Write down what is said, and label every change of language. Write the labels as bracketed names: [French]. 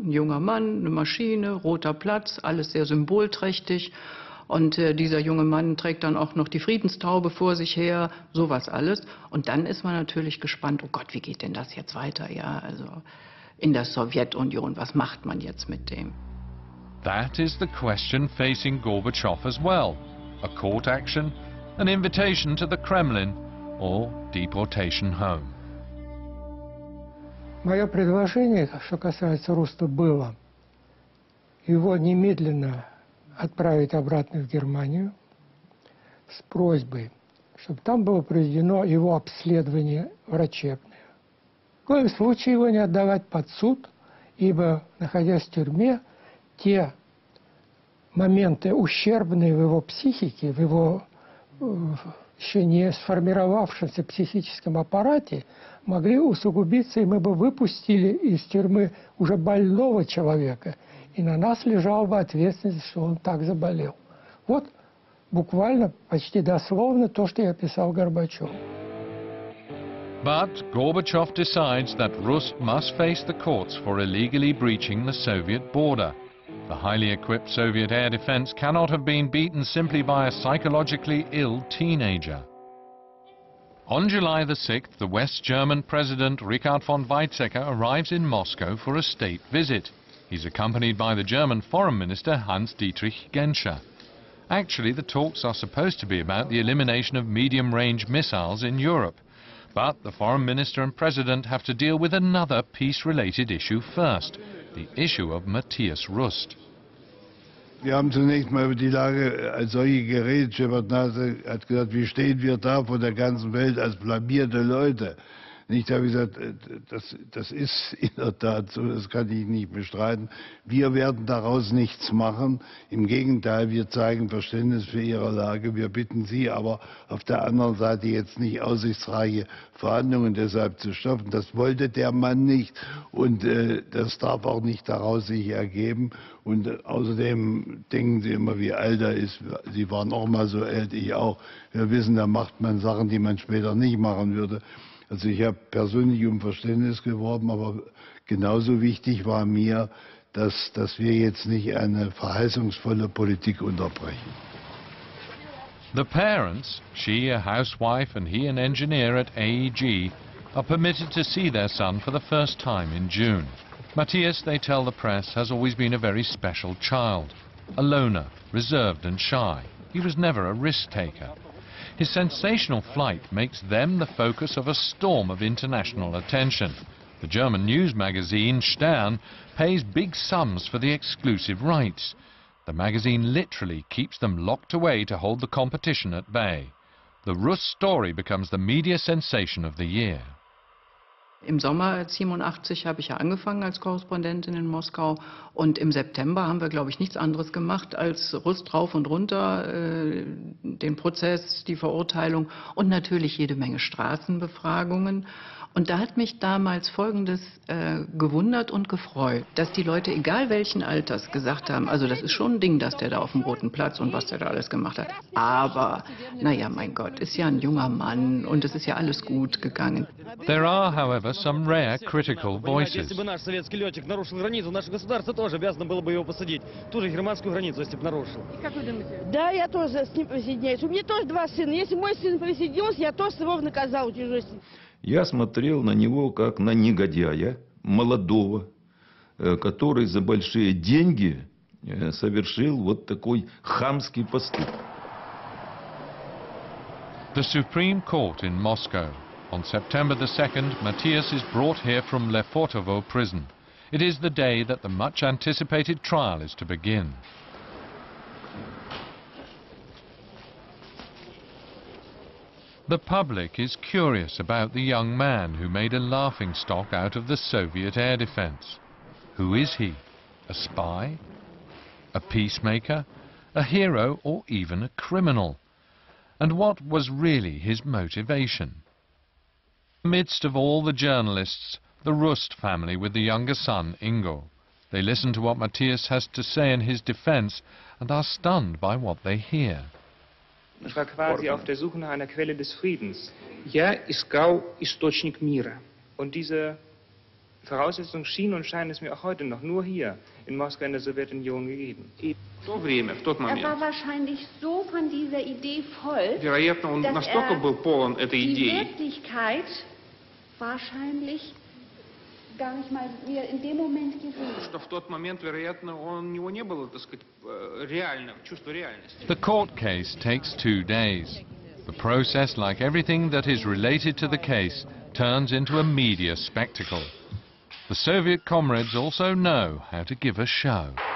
[German] Ein junger Mann, eine Maschine, roter Platz, alles sehr symbolträchtig. Und dieser junge Mann trägt dann auch noch die Friedenstaube vor sich her. So was alles. Und dann ist man natürlich gespannt, oh Gott, wie geht denn das jetzt weiter? Ja, also in der Sowjetunion, was macht man jetzt mit dem? [English] That is the question facing Gorbachev as well. A court action, an invitation to the Kremlin, or deportation home. [Russian] Мое предложение, что касается Руста, было его немедленно отправить обратно в Германию с просьбой, чтобы там было проведено его обследование врачебное. В коем случае его не отдавать под суд, ибо, находясь в тюрьме, те моменты ущербные в его психике, в его еще не сформировавшемся психическом аппарате, могли усугубиться, и мы бы выпустили из тюрьмы уже больного человека. И на нас лежала бы ответственность, что он так заболел. Вот буквально, почти дословно то, что я писал Горбачеву. [English] But Gorbachev decides that Rus must face the courts for illegally breaching the Soviet border. The highly equipped Soviet air defense cannot have been beaten simply by a psychologically ill teenager. On July the 6th, the West German president, Richard von Weizsäcker, arrives in Moscow for a state visit. He's accompanied by the German foreign minister, Hans-Dietrich Genscher. Actually, the talks are supposed to be about the elimination of medium-range missiles in Europe. But the foreign minister and president have to deal with another peace-related issue first, the issue of Matthias Rust. [German] Wir haben zunächst mal über die Lage als solche geredet. Shepard Nasr hat gesagt, wie stehen wir da vor der ganzen Welt als blamierte Leute? Ich habe gesagt, das ist in der Tat so, das kann ich nicht bestreiten. Wir werden daraus nichts machen. Im Gegenteil, wir zeigen Verständnis für Ihre Lage. Wir bitten Sie aber auf der anderen Seite jetzt nicht aussichtsreiche Verhandlungen deshalb zu stoppen. Das wollte der Mann nicht und das darf auch nicht daraus sich ergeben. Und außerdem denken Sie immer, wie alt er ist. Sie waren auch mal so alt, ich auch. Wir wissen, da macht man Sachen, die man später nicht machen würde. Also ich habe persönlich um Verständnis geworben, aber genauso wichtig war mir, dass wir jetzt nicht eine verheißungsvolle Politik unterbrechen. [English] The parents, she a housewife and he an engineer at AEG, are permitted to see their son for the first time in June. Matthias, they tell the press, has always been a very special child. A loner, reserved and shy. He was never a risk taker. His sensational flight makes them the focus of a storm of international attention. The German news magazine Stern pays big sums for the exclusive rights. The magazine literally keeps them locked away to hold the competition at bay. The Rus story becomes the media sensation of the year. [German] Im Sommer 87 habe ich ja angefangen als Korrespondentin in Moskau und im September haben wir, glaube ich, nichts anderes gemacht als Rus drauf und runter, den Prozess, die Verurteilung und natürlich jede Menge Straßenbefragungen. Und da hat mich damals Folgendes gewundert und gefreut, dass die Leute, egal welchen Alters, gesagt haben, also das ist schon ein Ding, dass der da auf dem Roten Platz und was der da alles gemacht hat. Aber, naja, mein Gott, ist ja ein junger Mann und es ist ja alles gut gegangen. [English] There are, however, some rare critical voices. [Russian] Если бы наш советский летчик нарушил границу, наше государство тоже обязано было бы его посадить. Ту же германскую границу, если бы нарушил. Как вы думаете? Да, я тоже с ним присоединяюсь. У меня тоже два сына. Если мой сын присоединился, я тоже его наказал тяжести. Я смотрел на него как на негодяя, молодого, который за большие деньги совершил вот такой хамский поступок. [English] The Supreme Court in Moscow. On September the 2nd, Matthias is brought here from Lefortovo prison. It is the day that the much-anticipated trial is to begin. The public is curious about the young man who made a laughingstock out of the Soviet air defense. Who is he? A spy? A peacemaker? A hero or even a criminal? And what was really his motivation? Amidst of all the journalists, the Rust family with the younger son, Ingo. They listen to what Matthias has to say in his defense and are stunned by what they hear. [German] Ich war quasi auf der Suche nach einer Quelle des Friedens. [Russian] Я искал источник мира. [German] Und diese Voraussetzung schien und scheint es mir auch heute noch nur hier in Moskau in der Sowjetunion gegeben. Er war wahrscheinlich so von dieser Idee voll, dass er die Wirklichkeit wahrscheinlich gar nicht mal mehr in dem Moment gesehen hat. [English] The court case takes 2 days. The process, like everything that is related to the case, turns into a media spectacle. The Soviet comrades also know how to give a show.